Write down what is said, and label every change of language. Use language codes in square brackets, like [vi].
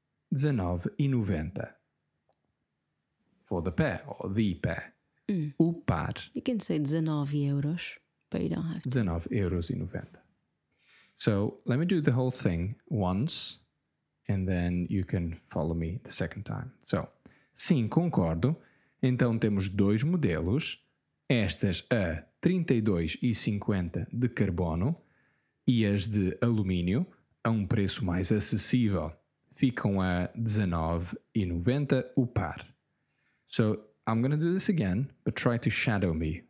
[pt] 19 e 90. [en] For the pair, or the pair. Mm. [pt] O par. [en] You can say 19 euros, but you don't have to. [pt] 19 euros e 90. [en] So, let me do the whole thing once, and then you can follow me the second time. [pt] So, sim, concordo. Então, temos dois modelos. Estas a 32 e 50 de carbono e as de alumínio a preço mais acessível. Ficam a 19 e 90 o par. [en] So, I'm going to do this again, but try to shadow me.